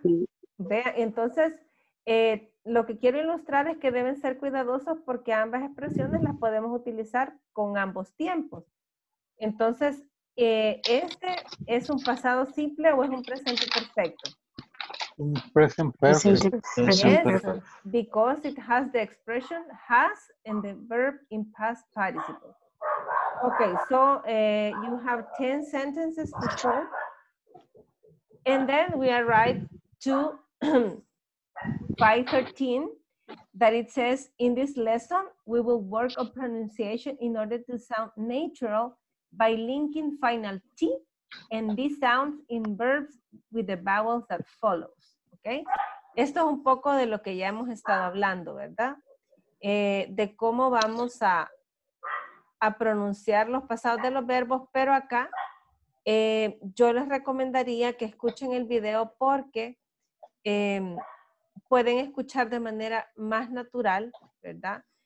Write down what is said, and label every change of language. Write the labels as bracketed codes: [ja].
[es] Vean, entonces, lo que quiero ilustrar es que deben ser cuidadosos porque ambas expresiones las podemos utilizar con ambos tiempos. Entonces, ¿este es un pasado simple o es un presente perfecto? Un present perfect. [en] Yes, because it has the expression has and the verb in past participle. Okay, so you have 10 sentences to show. And then we arrive to 5.13, that it says, in this lesson, we will work on pronunciation in order to sound natural by linking final T and these sounds in verbs with the vowels that follows. Okay? [es] Esto es un poco de lo que ya hemos estado hablando, ¿verdad? De cómo vamos a pronunciar los pasados de los verbos, pero acá yo les recomendaría que escuchen el video porque pueden escuchar de manera más natural, ¿verdad?